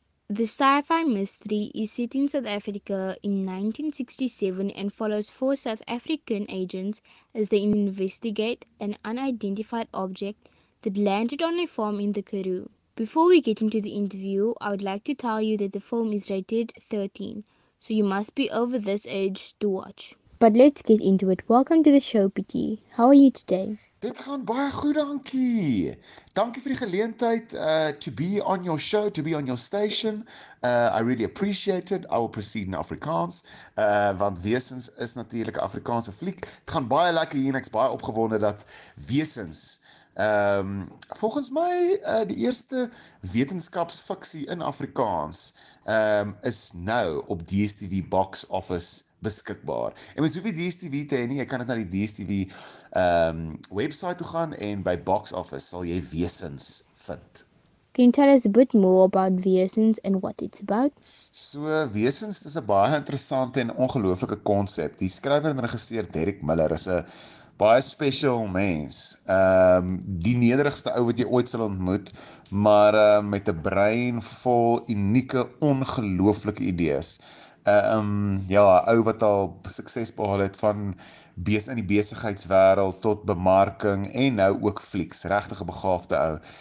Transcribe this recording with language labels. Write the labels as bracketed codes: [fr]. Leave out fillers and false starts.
[en] The sci-fi mystery is set in South Africa in 1967 and follows four South African agents as they investigate an unidentified object that landed on a farm in the Karoo. Before we get into the interview, I would like to tell you that the film is rated 13, so you must be over this age to watch. But let's get into it. Welcome to the show, Pieter. How are you today? [af] Dit gaan baie goed, dankie. Dankie vir die geleentheid [en] to be on your show, to be on your station. I really appreciate it. I will proceed in Afrikaans, [af] want Wesens is natuurlik 'n Afrikaanse fliek. Dit gaan baie lekker hier en ek's baie opgewonde dat Wesens volgens my die eerste wetenskapsfiksie in Afrikaans is nou op DStv box office beskikbaar. En mens hoef nie DStv te hê nie, jy kan dit na die DStv website toe gaan en by box office sal jy Wesens vind. [en] Can you tell us a bit more about Wesens and what it's about? [af] So Wesens is 'n baie interessante en ongelooflike konsep. Die skrywer en regisseur Derek Miller is 'n baie special mens. Die nederigste ou wat jy ooit sal ontmoet, maar met 'n brein vol unieke, ongelooflike idees. Ja, 'n ou wat al sukses behaal het van in die besigheidswêreld tot bemarking en nou ook flieks, regtig 'n begaafde ou.